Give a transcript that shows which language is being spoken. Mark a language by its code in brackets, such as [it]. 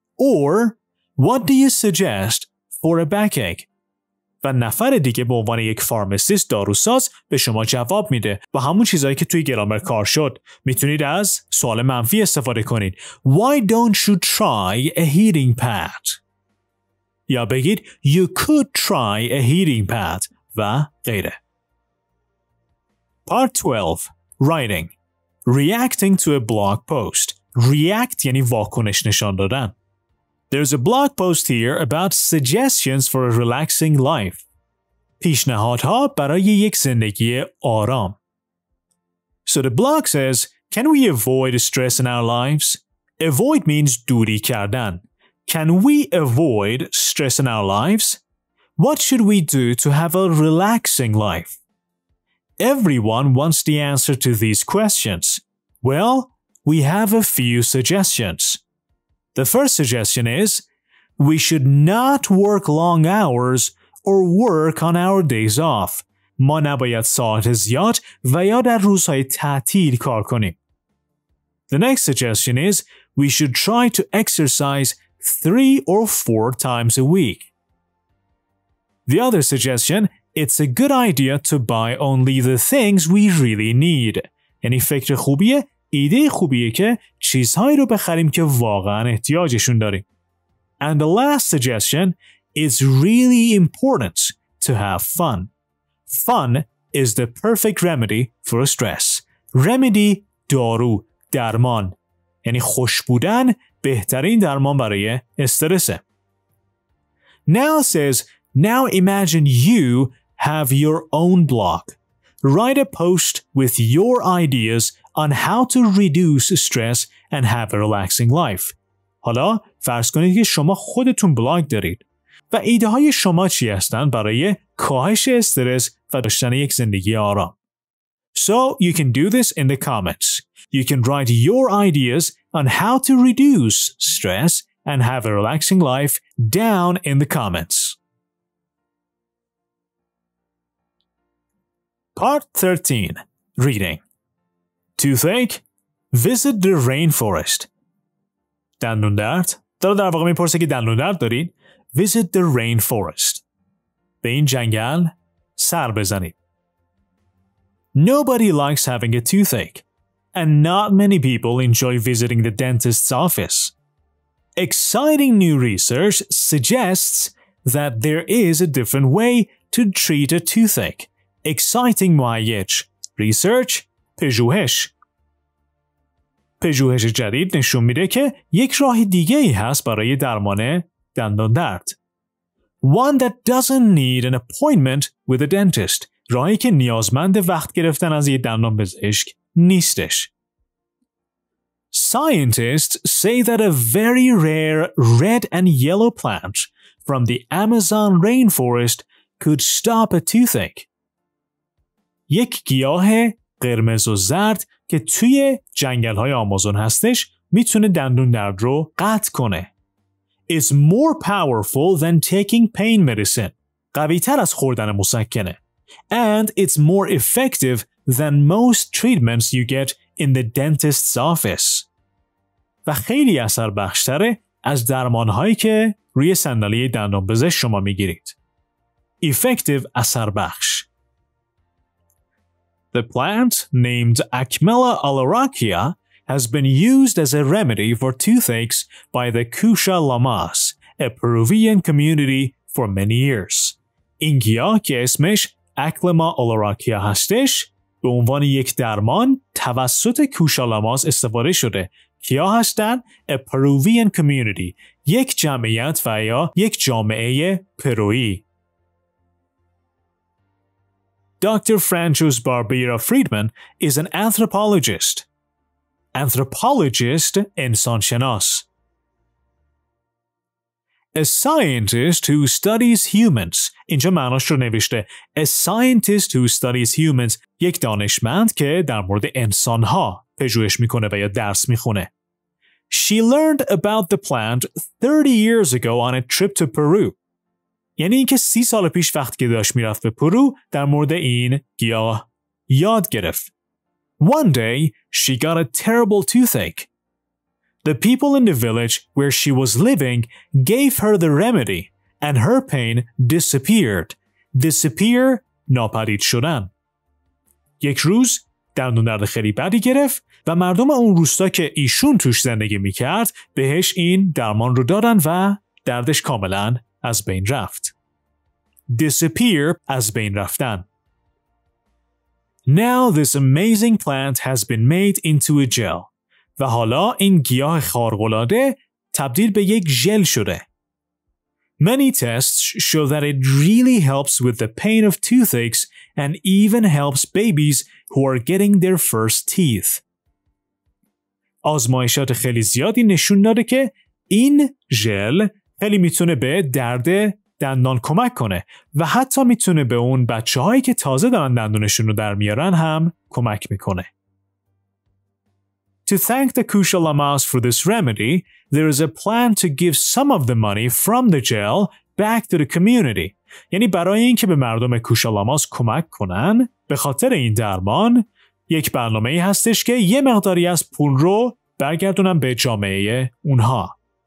[en] Or what do you suggest for a backache? [fa] و نفر دیگه به عنوان یک فارماسیست داروساز به شما جواب میده با همون چیزایی که توی گرامر کار شد. میتونید از سوال منفی استفاده کنید. [en] Why don't you try a heating pad? [fa] یا بگید [en] You could try a heating pad [fa] و غیره. [en] Part 12. Writing. Reacting to a blog post. [fa] React یعنی واکنش نشان دادن. [en] There's a blog post here about suggestions for a relaxing life. [fa] پیشنهادها برای یک زندگی آرام. [en] So the blog says, can we avoid stress in our lives? Avoid means [fa] دوری کردن. [en] Can we avoid stress in our lives? What should we do to have a relaxing life? Everyone wants the answer to these questions. Well, we have a few suggestions. The first suggestion is, we should not work long hours or work on our days off. [fa] ما نباید ساعت زیاد و یا در روزهای تعطیل کار کنیم. [en] The next suggestion is, we should try to exercise 3 or 4 times a week. The other suggestion, it's a good idea to buy only the things we really need. [fa] یعنی فکر خوبیه؟ ایده خوبیه که چیزهایی رو بخریم که واقعا احتیاجشون داریم. [en] And the last suggestion is really important to have fun. Fun is the perfect remedy for stress. Remedy [fa] دارو درمان. یعنی خوش بودن بهترین درمان برای استرسه. [en] Now says, now imagine you have your own blog. Write a post with your ideas on how to reduce stress and have a relaxing life. [fa] حالا فرض کنید که شما خودتون بلاگ دارید و ایده های شما چی هستند برای کاهش استرس و داشتن یک زندگی آرام. [en] So you can do this in the comments. You can write your ideas on how to reduce stress and have a relaxing life down in the comments. Part 13. Reading. Toothache? Visit the rainforest. [fa] دندون درد؟ داره در واقع میپرسه که دندون درد دارین؟ [en] Visit the rainforest. [fa] به این جنگل سر بزنید. [en] Nobody likes having a toothache. And not many people enjoy visiting the dentist's office. Exciting new research suggests that there is a different way to treat a toothache. [fa] Exciting معیش. Research. پژوهش. پژوهش جدید نشون میده که یک راه دیگه ای هست برای درمان دندان درد. [en] One that doesn't need an appointment with a dentist. [fa] راهی که نیازمند وقت گرفتن از یه دندان پزشک نیستش. [en] Scientists say that a very rare red and yellow plant from the Amazon rainforest could stop a toothache. [fa] یک گیاه قرمز و زرد که توی جنگل‌های آمازون هستش میتونه دندون درد رو قطع کنه. [en] It's more powerful than taking pain medicine. [fa] قوی‌تر از خوردن مسکنه. [en] And it's more effective than most treatments you get in the dentist's office. [fa] و خیلی اثر بخشتره از درمانهایی که روی صندلی دندان پزشک شما میگیرید. Effective اثر بخش. [en] The plant named Acmella alaracia has been used as a remedy for toothaches by the Kusha Lamas, a Peruvian community, for many years. [fa] این گیاه که اسمش اکلما اولاراکیا هستش به عنوان یک درمان توسط کوشا لاماس استفاده شده. کیا هستن؟ [en] A Peruvian community. [fa] یک جمعیت و یا یک جامعه پرویی. [en] Dr. Franchos Barbera Friedman is an anthropologist. [fa] Anthropologist انسانشناس. [en] A scientist who studies humans. [fa] اینجا معناش رو نوشته. [en] A scientist who studies humans. [fa] یک دانشمند که در مورد انسان‌ها پژوهش می‌کنه و یا درس می‌خونه. [en] She learned about the plant 30 years ago on a trip to Peru. [fa] یعنی این که 30 سال پیش وقتی که داشت میرفت به پرو در مورد این گیاه یاد گرفت. [en] One day, she got a terrible toothache. The people in the village where she was living gave her the remedy and her pain disappeared. [fa] Disappear, ناپدید شدن. یک روز دندون درد خیلی بدی گرفت و مردم اون روستا که ایشون توش زندگی میکرد بهش این درمان رو دادن و دردش کاملا از بین رفت. Disappear, از بین رفتن. [en] Now this amazing plant has been made into a gel. [fa] و حالا این گیاه خارق‌العاده تبدیل به یک ژل شده. [en] Many tests show that it really helps with the pain of toothaches and even helps babies who are getting their first teeth. [fa] آزمایشات خیلی زیادی نشون داده که این ژل خیلی میتونه به درد دندان کمک کنه و حتی میتونه به اون بچه‌هایی که تازه دارن دندونشون رو در میارن هم کمک میکنه. [en] To thank the Kusha Lamas for this remedy, there is a plan to give some of the money from the gel back to the community. [fa] یعنی برای این که به مردم کوشا لاماس کمک کنن به خاطر این درمان یک برنامه ای هستش که یه مقداری از پول رو برگردونن به جامعه اونها.